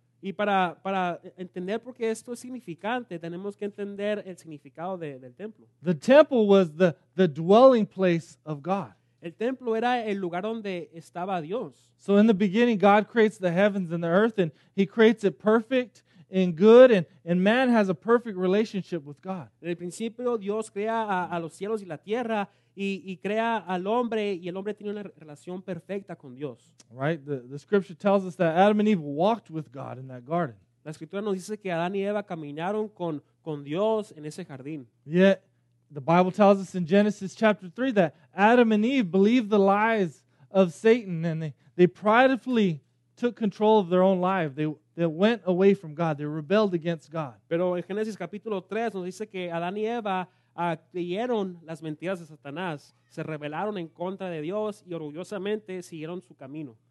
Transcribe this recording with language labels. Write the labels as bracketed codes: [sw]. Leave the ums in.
[es] Y para, para entender por qué esto es significante, tenemos que entender el significado de, del templo. [en] The temple was the, the dwelling place of God. [es] El templo era el lugar donde estaba Dios. [en] So in the beginning, God creates the heavens and the earth, and he creates it perfect and good, and, and man has a perfect relationship with God. [es] En principio, Dios crea a, a los cielos y la tierra, y, y crea al hombre y el hombre tiene una re relación perfecta con Dios. [en] Right, the, scripture tells us that Adam and Eve walked with God in that garden. [es] La escritura nos dice que Adán y Eva caminaron con con Dios en ese jardín. [en] Yet, the Bible tells us in Genesis chapter 3 that Adam and Eve believed the lies of Satan and they, they pridefully took control of their own life. They they went away from God. They rebelled against God. [es] Pero en Genesis capítulo 3 nos dice que Adán y Eva Uh, creyeron las mentiras de Satanás, se rebelaron en contra de Dios y orgullosamente siguieron su camino.